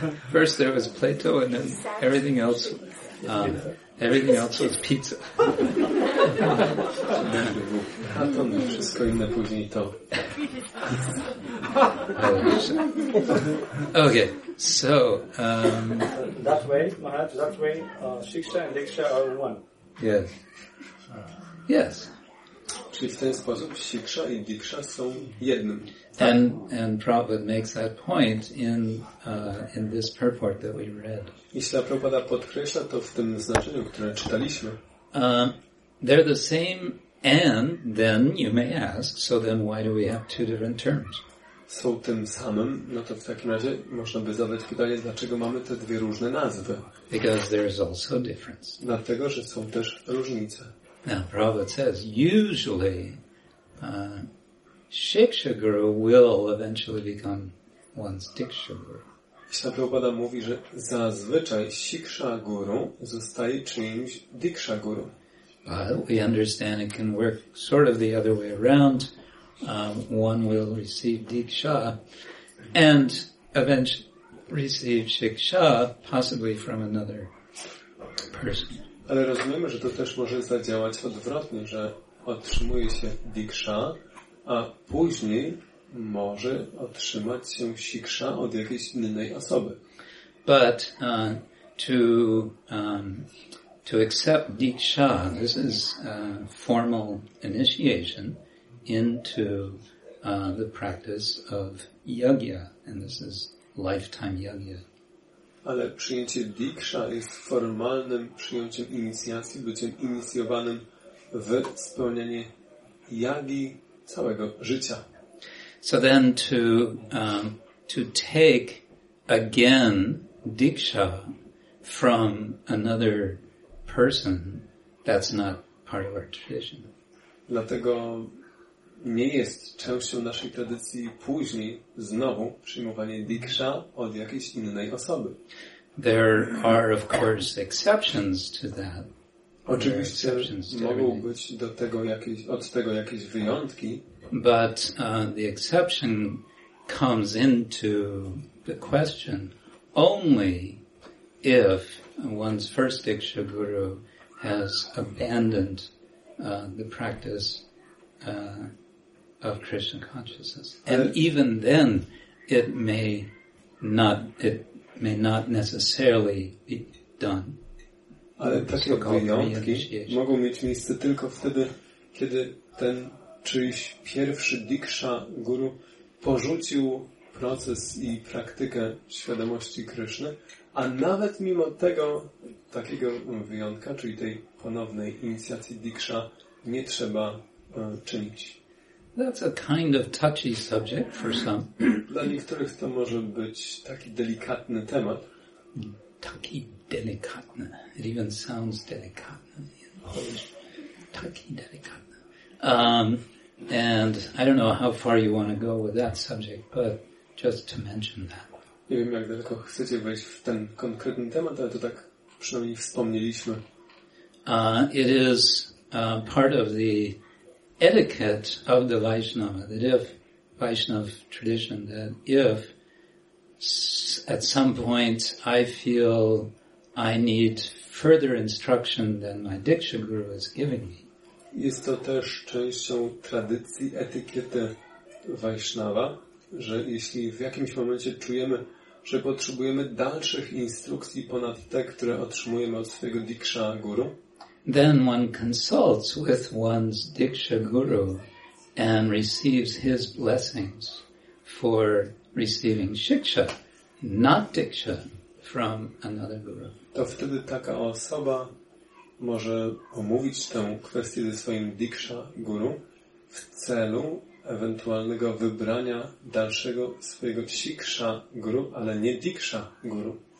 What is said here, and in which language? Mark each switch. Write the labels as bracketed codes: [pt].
[en] First there was Plato and then everything else was pizza. [pl] A to nie wszystko inne później to. [en] Okay. So that way, Maharaj, that way, Shiksha and Diksha are one. Yes. Yes. [pl] Czyli w ten sposób Shiksha i Diksha są jednym. [en] And Prabhupada makes that point in this purport that we read. [pl] Jeśli Prabhupada podkreśla to w tym znaczeniu, które czytaliśmy. [en] They're the same, and then you may ask, so then why do we have two different terms? [pl] Są tym samym, no to w takim razie można by zadać pytanie, dlaczego mamy te dwie różne nazwy? [en] Because there is also a difference. [pl] Dlatego, że są też różnice. [en] Now, Prabhupada says, usually, Shiksha Guru will eventually become one's Diksha Guru. [pl] Śla Prabhupada mówi, że zazwyczaj Shiksha Guru zostaje czyimś Diksha Guru. [en] But we understand it can work sort of the other way around. One will receive Diksha and eventually receive Shiksha possibly from another person. [pl] Ale rozumiemy, że to też może zadziałać odwrotnie, że otrzymuje się Diksha, a później może otrzymać się Shiksha od jakiejś innej osoby. [en] But to accept Diksha, this is formal initiation into the practice of yagya, and this is lifetime yagya. [pl] Ale przyjęcie Diksha jest formalnym przyjęciem inicjacji, byciem inicjowanym w spełnianie jagi całego życia. [en] So then to take again Diksha from another person, that's not part of our tradition. [pl] Dlatego nie jest częścią naszej tradycji później znowu przyjmowanie Diksha od jakiejś innej osoby. [en] There are of course exceptions to that. [pl] Oczywiście mogą być do tego jakieś, od tego jakieś wyjątki. [en] But the exception comes into the question only if one's first Diksha Guru has abandoned the practice of Krishna consciousness. And even then it may not necessarily be done. [pl] Ale takie wyjątki mogą mieć miejsce tylko wtedy, kiedy ten czyjś pierwszy Diksha Guru porzucił proces i praktykę świadomości Kryszny, a nawet mimo tego takiego wyjątka, czyli tej ponownej inicjacji Diksha, nie trzeba czynić. [en] That's a kind of touchy subject for some. [pl] Dla niektórych to może być taki delikatny temat. Taki delikatny. [en] It even sounds delikatny in Polish. [pl] Taki delikatny. [en] And I don't know how far you want to go with that subject, but just to mention that. [pl] Nie wiem, jak daleko chcecie wejść w ten konkretny temat, ale to tak przynajmniej wspomnieliśmy. [en] It is part of the etiquette of the Vaishnava, that if Vaishnava tradition, that if at some point I feel I need further instruction than my Diksha Guru is giving me. [pl] Jest to też częścią tradycji etykiety Vaishnava, że jeśli w jakimś momencie czujemy, że potrzebujemy dalszych instrukcji ponad te, które otrzymujemy od swojego Diksha Guru, [en] then one consults with one's Diksha Guru and receives his blessings for receiving Shiksha, not Diksha, from another Guru. [pl] To wtedy taka osoba może omówić tę kwestię ze swoim Diksha Guru w celu ewentualnego wybrania dalszego swojego Shiksha Guru, ale nie Diksha Guru.